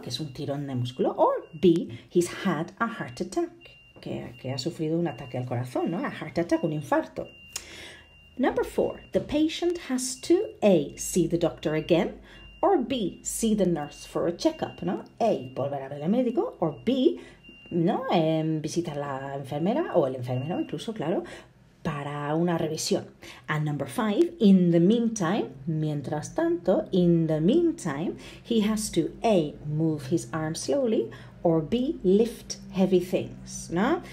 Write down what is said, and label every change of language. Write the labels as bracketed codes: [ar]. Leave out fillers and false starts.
[es] Que es un tirón de músculo, [en] or B, he's had a heart attack, [es] que ha sufrido un ataque al corazón, ¿no? [en] A heart attack, [es] un infarto. [en] Number four, the patient has to A, see the doctor again, or B, see the nurse for a checkup, ¿no? [es] A, volver a ver al médico, [en] or B, [es] ¿no? Visitar la enfermera o el enfermero, incluso, claro, para una revisión. [en] And number five, in the meantime, [es] mientras tanto, [en] in the meantime, he has to A, move his arm slowly, or B, lift heavy things, ¿no?